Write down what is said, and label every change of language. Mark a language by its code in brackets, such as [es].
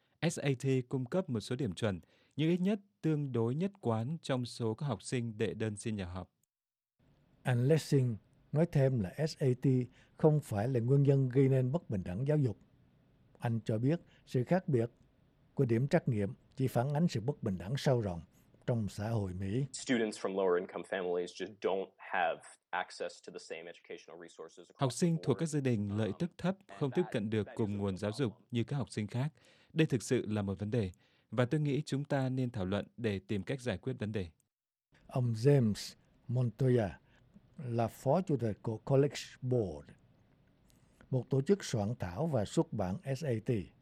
[vi] SAT cung cấp một số điểm chuẩn, nhưng ít nhất tương đối nhất quán trong số các học sinh đệ đơn xin nhập học. And Lessing nói thêm là SAT không phải là nguyên nhân gây nên bất bình đẳng giáo dục. Anh cho biết sự khác biệt của điểm trắc nghiệm chỉ phản ánh sự bất bình đẳng sâu rộng trong xã hội Mỹ. [en] Students from lower income families just don't have access to the same educational resources. [vi] Học sinh thuộc các gia đình lợi tức thấp không tiếp cận được cùng nguồn giáo dục như các học sinh khác. Đây thực sự là một vấn đề, và tôi nghĩ chúng ta nên thảo luận để tìm cách giải quyết vấn đề. Ông James Montoya là phó chủ tịch của College Board, một tổ chức soạn thảo và xuất bản SAT.